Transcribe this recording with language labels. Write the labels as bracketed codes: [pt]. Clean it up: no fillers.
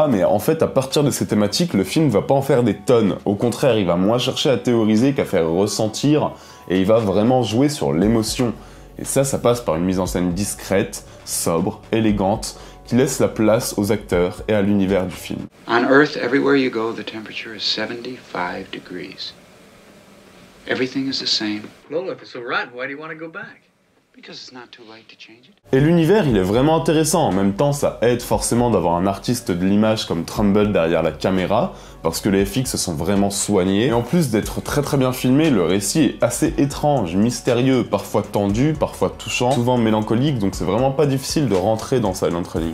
[fr] Mais en fait, à partir de ces thématiques, le film va pas en faire des tonnes. Au contraire, il va moins chercher à théoriser qu'à faire ressentir, et il va vraiment jouer sur l'émotion. Et ça, ça passe par une mise en scène discrète, sobre, élégante, qui laisse la place aux acteurs et à l'univers du film. [en] On Earth, everywhere you go, the temperature is 75 degrees. Everything is the same. Well, if it's so rotten, why do you want to go back? Because it's not too late to change it. [fr] Et l'univers, il est vraiment intéressant. En même temps, ça aide forcément d'avoir un artiste de l'image comme Trumbull derrière la caméra, parce que les FX se sont vraiment soignés. Et en plus d'être très très bien filmé, le récit est assez étrange, mystérieux, parfois tendu, parfois touchant, souvent mélancolique, donc c'est vraiment pas difficile de rentrer dans Silent Running.